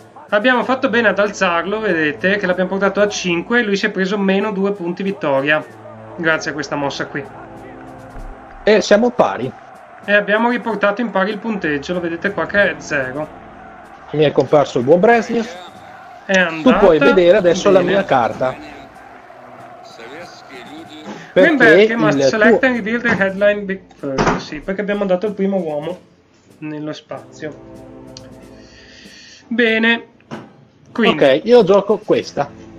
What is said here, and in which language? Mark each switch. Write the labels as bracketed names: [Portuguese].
[Italian] Abbiamo fatto bene ad alzarlo, vedete, che l'abbiamo portato a 5 e lui si è preso meno 2 punti vittoria, grazie a questa mossa qui. E siamo pari. E abbiamo riportato in pari il punteggio, lo vedete qua che è 0. Mi è comparso il buon Brezhnev. È andata. Tu puoi vedere adesso bene. La mia carta. [English] Greenberg must select and reveal the headline big first. [Italian] Sì, perché abbiamo dato il primo uomo. Nello spazio. Bene. Quindi. Ok, io gioco questa.